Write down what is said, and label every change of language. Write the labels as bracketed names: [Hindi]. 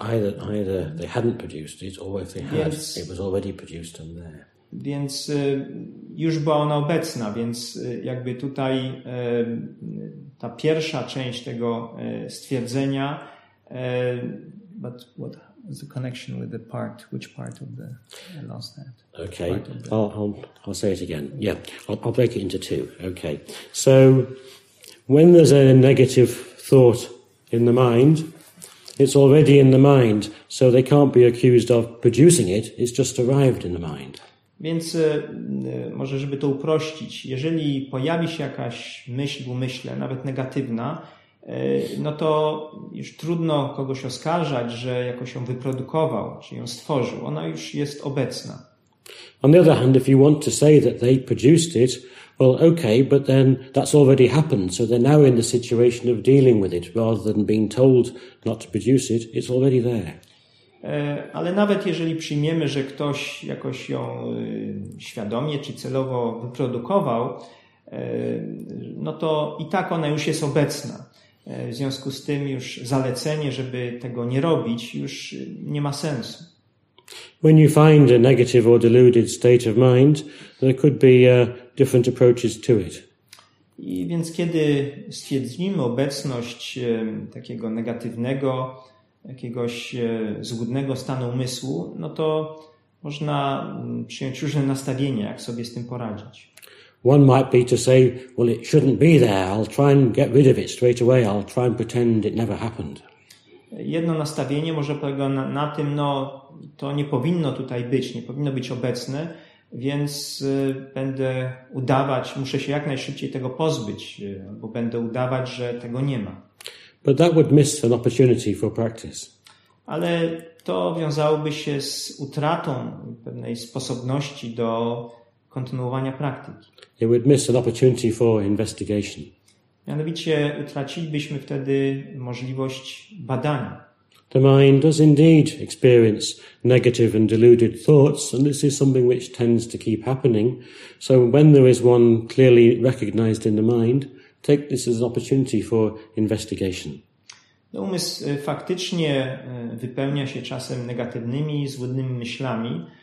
[English] Either they hadn't produced it, or if they had, it was already produced and there. [Polish] Więc już była ona obecna, więc jakby tutaj ta pierwsza część tego stwierdzenia. [English] But what is the connection with the part? Which part of the last that? Okay, I'll say it again. Yeah, I'll break it into two. Okay, so when there's a negative thought in the mind, it's already in the mind, so they can't be accused of producing it. It's just arrived in the mind. [Polish] Więc może, żeby to uprościć, jeżeli pojawi się jakaś myśl w umyśle, nawet negatywna, no to już trudno kogoś oskarżać, że jakoś ją wyprodukował, czy ją stworzył. Ona już jest obecna. [English] On the other hand, if you want to say that they produced it, well, okay, but then that's already happened, so they're now in the situation of dealing with it, rather than being told not to produce it, it's already there. [Polish] Ale nawet jeżeli przyjmiemy, że ktoś jakoś ją świadomie czy celowo wyprodukował, no to i tak ona już jest obecna. W związku z tym już zalecenie, żeby tego nie robić, już nie ma sensu. [English] When you find a negative or deluded state of mind, there could be different approaches to it. [Polish] I więc kiedy stwierdzimy obecność takiego negatywnego, jakiegoś złudnego stanu umysłu, no to można przyjąć różne nastawienia, jak sobie z tym poradzić. [English] One might be to say, well, it shouldn't be there. I'll try and get rid of it straight away. I'll try and pretend it never happened. [Polish] Jedno nastawienie może polega na tym, no to nie powinno tutaj być, nie powinno być obecne, więc będę udawać, muszę się jak najszybciej tego pozbyć, bo będę udawać, że tego nie ma. [English] But that would miss an opportunity for practice. [Polish] Ale to wiązałoby się z utratą pewnej sposobności do kontynuowania praktyki. [English] It would miss an opportunity for investigation. [Polish] Mianowicie utracilibyśmy wtedy możliwość badania. [English] The mind does indeed experience negative and deluded thoughts, and this is something which tends to keep happening. So when there is one clearly recognized in the mind, take this as an opportunity for investigation. [Polish] Umysł faktycznie wypełnia się czasem negatywnymi, złudnymi myślami.